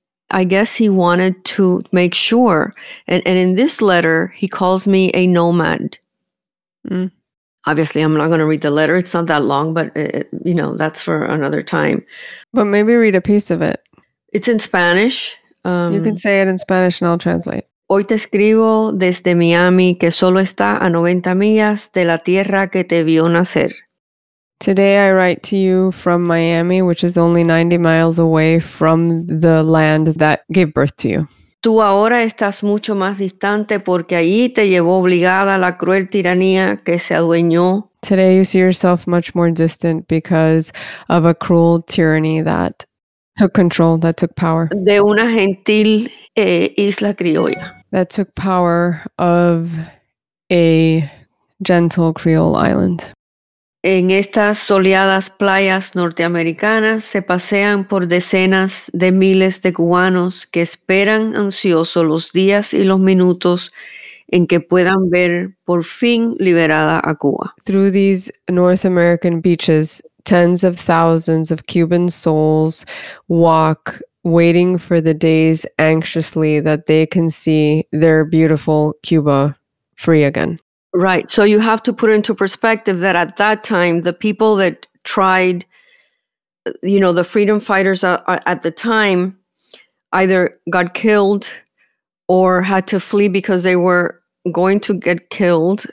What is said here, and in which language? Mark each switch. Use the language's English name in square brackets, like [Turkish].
[English] I guess he wanted to make sure. And in this letter, he calls me a nomad. Mm. Obviously, I'm not going to read the letter. It's not that long, but that's for another time. But maybe read a piece of it. It's in Spanish. You can say it in Spanish and I'll translate. [Spanish] Hoy te escribo desde Miami, que solo está a 90 millas de la tierra que te vio nacer. [English] Today I write to you from Miami, which is only 90 miles away from the land that gave birth to you. [Spanish] Tú ahora estás mucho más distante porque allí te llevó obligada la cruel tiranía que se adueñó. [English] Today you see yourself much more distant because of a cruel tyranny that took control, that took power. [Spanish] De una gentil isla criolla. [English] That took power of a gentle Creole island. [Spanish] En estas soleadas playas norteamericanas se pasean por decenas de miles de cubanos que esperan ansioso los días y los minutos en que puedan ver por fin liberada a Cuba. [English] Through these North American beaches, tens of thousands of Cuban souls walk waiting for the days anxiously that they can see their beautiful Cuba free again. Right. So you have to put into perspective that at that time, the people that tried, you know, the freedom fighters at the time either got killed or had to flee because they were going to get killed.